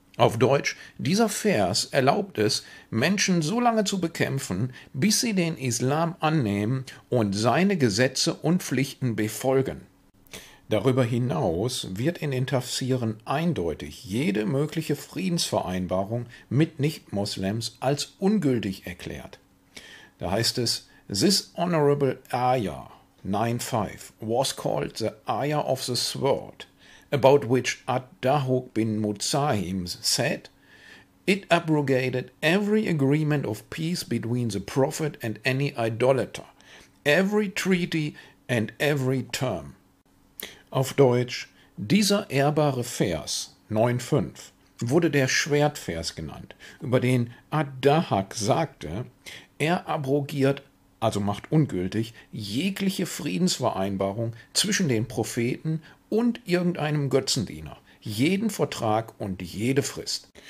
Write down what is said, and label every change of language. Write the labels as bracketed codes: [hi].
[de] Auf Deutsch, dieser Vers erlaubt es, Menschen so lange zu bekämpfen, bis sie den Islam annehmen und seine Gesetze und Pflichten befolgen. Darüber hinaus wird in den Tafsiren eindeutig jede mögliche Friedensvereinbarung mit Nicht-Moslems als ungültig erklärt. Da heißt es, [en] This honorable ayah, 9.5, was called the Ayah of the Sword, about which Ad-Dahuk bin Muzahim said, It abrogated every agreement of peace between the prophet and any idolater, every treaty and every term. [de] Auf Deutsch, dieser ehrbare Vers, 9,5, wurde der Schwertvers genannt, über den Ad-Dahak sagte, er abrogiert, also macht ungültig, jegliche Friedensvereinbarung zwischen den Propheten und irgendeinem Götzendiener, jeden Vertrag und jede Frist.